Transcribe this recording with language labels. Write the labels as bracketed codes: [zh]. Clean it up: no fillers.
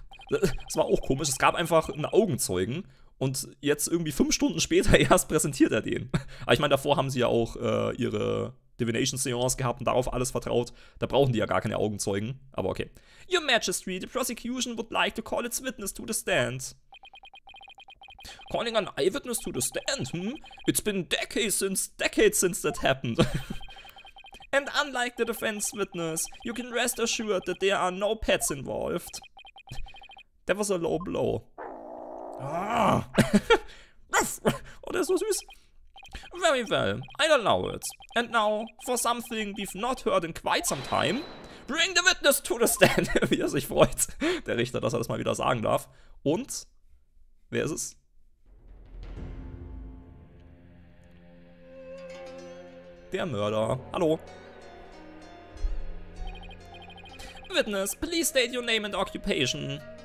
[de] Das war auch komisch. Es gab einfach einen Augenzeugen. Und jetzt irgendwie 5 Stunden später erst präsentiert er den. Aber ich meine, davor haben sie ja auch ihre Divination Seance gehabt und darauf alles vertraut. Da brauchen die ja gar keine Augenzeugen. Aber okay. [en] Your Majesty, the prosecution would like to call its witness to the stand. Calling an eyewitness to the stand, It's been decades since that happened. And unlike the defense witness, you can rest assured that there are no pets involved. That was a low blow. Ah! [de] Oh, der ist so süß. [en] Very well, I'll allow it. And now, for something we've not heard in quite some time, bring the witness to the stand. [de] Wie er sich freut, der Richter, dass er das mal wieder sagen darf. Und, wer ist es? Der Mörder. Hallo. [en] Witness, please state your name and occupation.